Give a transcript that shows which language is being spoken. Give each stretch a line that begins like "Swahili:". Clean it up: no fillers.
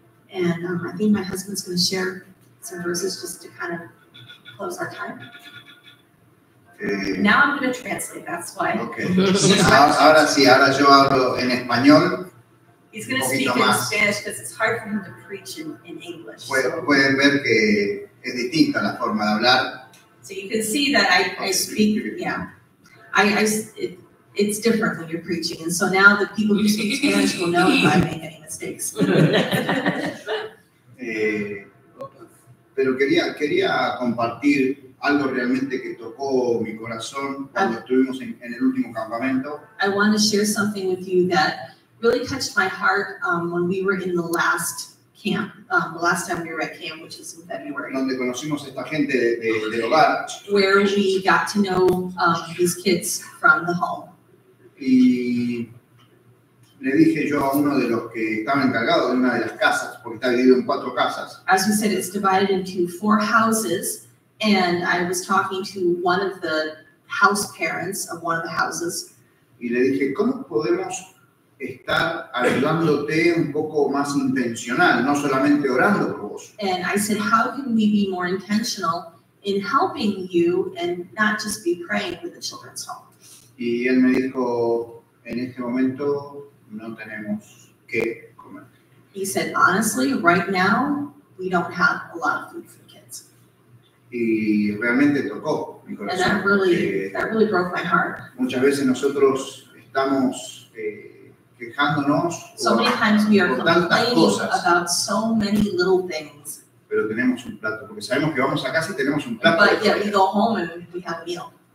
English: And I think my husband's going to share some verses just to kind of close our time. Now I'm going to translate, that's why.
Spanish: Okay. Ahora sí, ahora yo hablo en español.
English: He's going to speak
Spanish: más.
English: In Spanish because it's hard for him to preach in English.
Spanish: Pueden ver que es distinta la forma de hablar.
English: So you can see that I speak, yeah. It's different when you're preaching. And so now the people who speak Spanish will know if I make any mistakes.
Spanish: pero quería compartir algo realmente que tocó mi corazón cuando estuvimos en el último campamento.
English: I want to share something with you that really touched my heart when we were in the last camp, the last time we were at camp, which is in February.
Spanish: Donde conocimos esta gente del hogar.
English: Where we got to know these kids from the home.
Spanish: Y le dije yo a uno de los que estaba encargado de una de las casas, porque está dividido en cuatro casas.
English: As we said, it's divided into four houses, and I was talking to one of the house parents of one of the houses.
Spanish: Y le dije, ¿cómo podemos estar ayudándote un poco más intencional, no solamente orando por vos?
English: And I said, how can we be more intentional in helping you and not just be praying for the children's home?
Spanish: Y él me dijo, en este momento no tenemos qué comer.
English: He said, honestly, right now, we don't have a lot of food for the kids.
Spanish: Y realmente tocó mi corazón.
English: And that really broke my heart.
Spanish: Muchas veces nosotros estamos quejándonos
English: so many times we are complaining about so many little things.
Spanish: Pero tenemos un plato, porque sabemos que vamos a casa y tenemos un plato.
English: But yet we go home and we have a meal.